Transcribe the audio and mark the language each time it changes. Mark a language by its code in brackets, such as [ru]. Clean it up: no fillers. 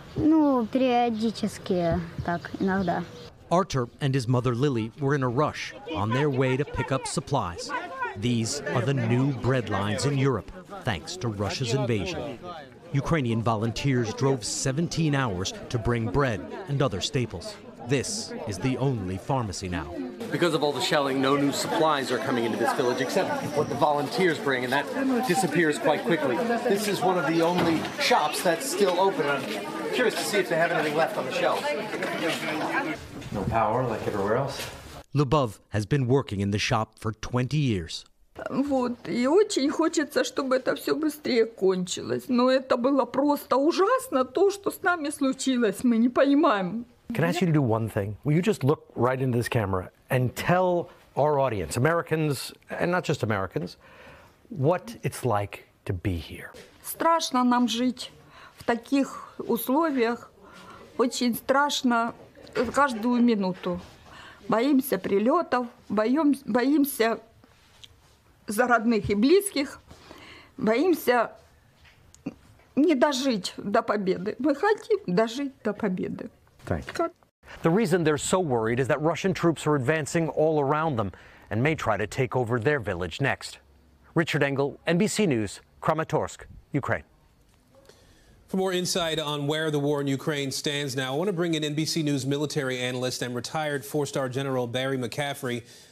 [ru] Ну, периодически так, иногда. [en] Artur and his mother Lily were in a rush on their way to pick up supplies. These are the new bread lines in Europe, thanks to Russia's invasion. Ukrainian volunteers drove 17 hours to bring bread and other staples. This is the only pharmacy now. Because of all the shelling, no new supplies are coming into this village except what the volunteers bring, and that disappears quite quickly. This is one of the only shops that's still open. I'm curious to see if they have anything left on the shelf. No power like everywhere else. Lubov has been working in the shop for 20 years. [ru] Вот, и очень хочется, чтобы это все быстрее кончилось. Но это было просто ужасно, то, что с нами случилось, мы не понимаем. [en] Can I ask you to do one thing? Will you just look right into this camera and tell our audience, Americans, and not just Americans, what it's like to be here? [ru] Страшно нам жить в таких условиях. Очень страшно каждую минуту. Боимся прилетов, боимся за родных и близких, боимся не дожить до победы. Мы хотим дожить до победы. [en] The reason they're so worried is that Russian troops are advancing all around them and may try to take over their village next. Richard Engel, NBC News, Kramatorsk, Ukraine. For more insight on where the war in Ukraine stands now, I want to bring in NBC News military analyst and retired four-star General Barry McCaffrey.